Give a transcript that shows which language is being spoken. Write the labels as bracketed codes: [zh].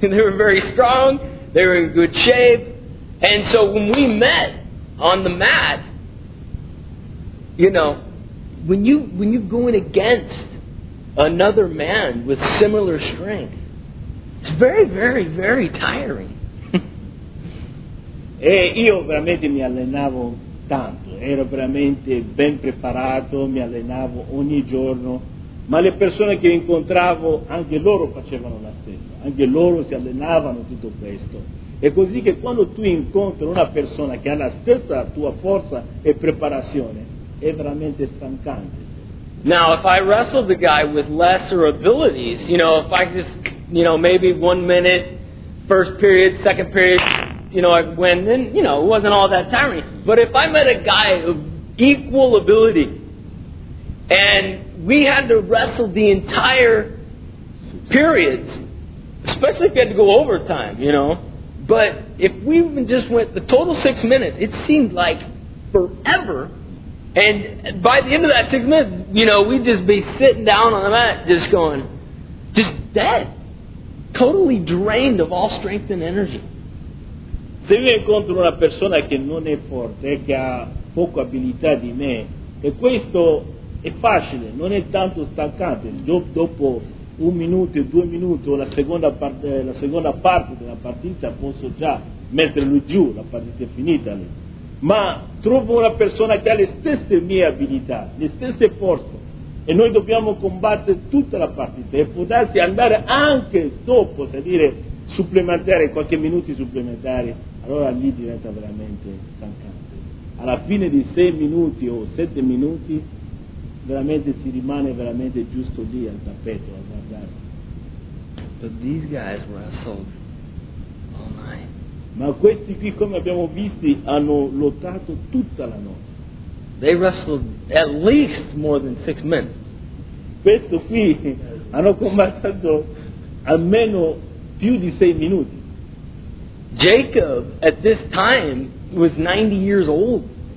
[en] They were very strong, they were in good shape. And so when we met on the mat, you know, when you go in against another man with similar strength, it's very, very, very tiring. [it] E io veramente mi allenavo tanto, ero veramente ben preparato, mi allenavo ogni giorno, ma le persone che incontravo anche loro facevano la stessa, anche loro si allenavano tutto questo. È così che quando tu incontri una persona che ha la stessa tua forza e preparazione, è veramente stancante. [en] Now, if I wrestled the guy with lesser abilities, you know, if I just, you know, maybe 1 minute, first period, second period, you know, I went, then, you know, it wasn't all that tiring. But if I met a guy of equal ability, and we had to wrestle the entire periods, especially if you had to go overtime, you know, but if we even just went the total 6 minutes, it seemed like forever. And by the end of that 6 minutes, you know, we'd just be sitting down on the mat just going, just dead. Totally drained of all strength and energy. [it] Se io incontro una persona che non è forte, che ha poco abilità di me, e questo è facile, non è tanto staccante. Dopo un minuto, due minuti, o la seconda parte della partita, posso già mettere lui giù, la partita è finita lì. Ma trovo una persona che ha le stesse mie abilità, le stesse forze, e noi dobbiamo combattere tutta la partita e potersi andare anche dopo, se dire supplementare, qualche minuto supplementare, allora lì diventa veramente stancante. Alla fine di 6 minuti o 7 minuti veramente si rimane veramente giusto lì al tappeto a guardare. [en] But these guys wrestled all night. [it] Ma questi qui, come abbiamo visto, hanno lottato tutta la notte. [en] They wrestled at least more than 6 minutes. [it] Questo qui hanno combattuto almeno più di 6 minuti. [en] Jacob at this time was 90 years old.